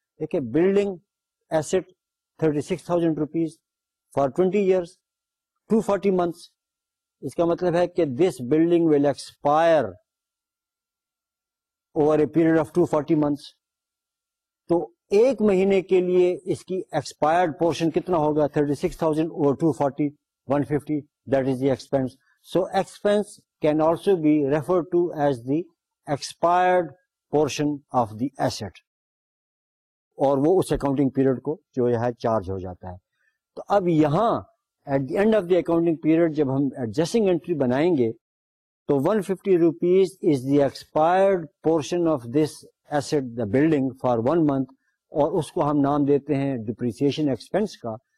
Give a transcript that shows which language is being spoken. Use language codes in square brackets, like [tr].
[en] دیکھیے building asset 36,000 rupees for 20 years, 240 months, [ur] اس کا مطلب ہے کہ [en] This building will expire over a period of 240 months. [ur] تو ایک مہینے کے لیے اس کی ایکسپائرڈ پورشن کتنا ہوگا, 36,000 over 240, 150, [en] that is the expense. So expense can also be referred to as the expired portion of the asset. [ur] اور وہ اس accounting period کو جو ہے charge ہو جاتا ہے. تو اب یہاں [en] at the end of the accounting period جب ہم adjusting entry [ur] بنائیں گے تو [en] 150 rupees is the expired portion of this asset, the building for one month, [ur] اور اس کو ہم نام دیتے ہیں [en] depreciation expense کا.